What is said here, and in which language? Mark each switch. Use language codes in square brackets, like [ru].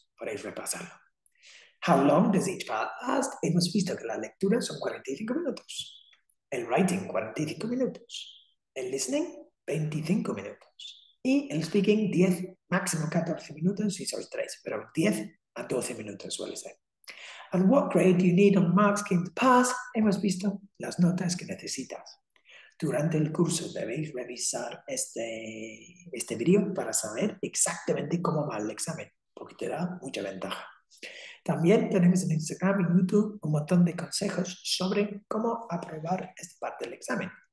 [es] Podéis repasarlo. [en] How long does each part last? [es] Hemos visto que la lectura son 45 minutos. El writing, 45 minutos. El listening, 25 minutos. Y el speaking, 10, máximo 14 minutos si sois 3, pero 10 a 12 minutos suele ser. [en] And what grade do you need on marks in the past? [es] Hemos visto las notas que necesitas. Durante el curso debéis revisar este vídeo para saber exactamente cómo va el examen, porque te da mucha ventaja. También tenemos en Instagram y YouTube un montón de consejos sobre cómo aprobar esta parte del examen.